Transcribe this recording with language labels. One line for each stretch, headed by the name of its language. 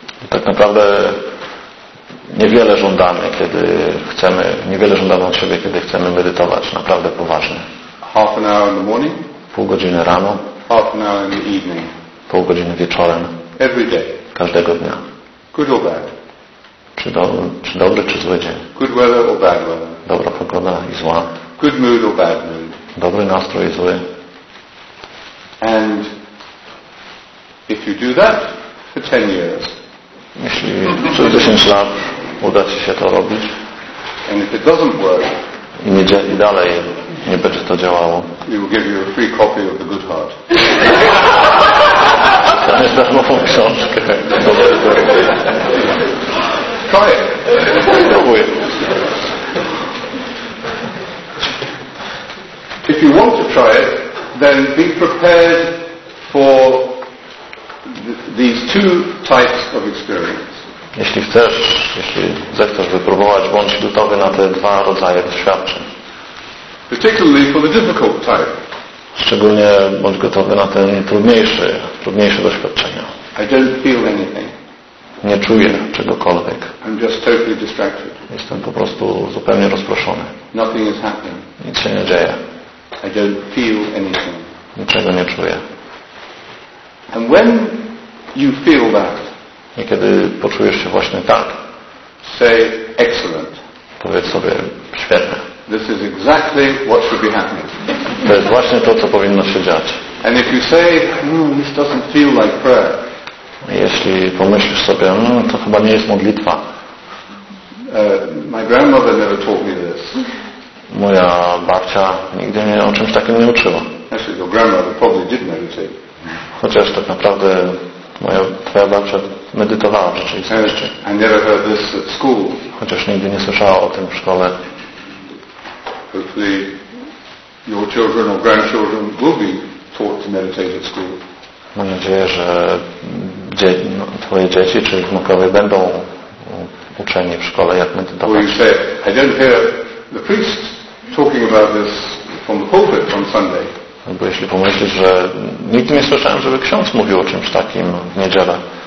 Polish: Tak naprawdę niewiele żądamy, kiedy chcemy, niewiele żądamy od siebie, kiedy chcemy medytować naprawdę poważnie.
English: Half an hour in the morning.
Polish: Pół godziny rano.
English: Half an hour in the evening.
Polish: Pół godziny wieczorem.
English: Every day.
Polish: Każdego dnia.
English: Good or bad.
Polish: Czy dobry, czy zły dzień.
English: Good weather or bad weather.
Polish: Dobra pogoda i zła.
English: Good mood or bad mood.
Polish: Dobry nastrój i zły.
English: And if you do that for 10 years.
Polish: Jeśli przez 10 lat uda ci się to robić.
English: And if it doesn't work.
Polish: I dalej nie będzie to działało.
English: We will give you a free copy of the Good Heart.
Polish: Damy darmową książkę.
English: Try it.
Polish: Spróbuję.
English: If you want to try it, then be prepared for these two types of experience.
Polish: Jeśli chcesz, jeśli zechcesz wypróbować, bądź gotowy na te dwa rodzaje doświadczeń.
English: Particularly for the difficult type.
Polish: Szczególnie bądź gotowy na ten trudniejsze doświadczenia.
English: I don't feel anything.
Polish: Nie czuję czegokolwiek.
English: I'm just totally distracted.
Polish: Jestem po prostu zupełnie rozproszony.
English: Nothing is happening.
Polish: Nic się nie dzieje.
English: I don't feel anything.
Polish: Niczego nie czuję.
English: And when you feel that,
Polish: i kiedy poczujesz się właśnie tak,
English: say excellent.
Polish: Powiedz sobie świetne.
English: This is exactly what should be happening.
Polish: To jest właśnie to, co powinno się dziać.
English: And if you say, this doesn't feel like prayer.
Polish: Jeśli pomyślisz sobie, to chyba nie jest modlitwa.
English: My grandmother never taught me this.
Polish: Moja babcia nigdy mnie o czymś takim nie uczyła.
English: Actually, your grandmother probably did meditate.
Polish: Chociaż tak naprawdę twoja babcia medytowała w rzeczywistości.
English: I never heard this at school.
Polish: Chociaż nigdy nie słyszała o tym w szkole.
English: Hopefully your children or grandchildren will be taught to meditate at school.
Polish: Mam nadzieję, że twoje dzieci czy wnukowie będą uczeni w szkole, jak medytować.
English: Well, you say, I don't hear the priest talking about this from the pulpit on Sunday.
Polish: Bo jeśli pomyślisz, że nigdy nie słyszałem, żeby ksiądz mówił o czymś takim w niedzielę.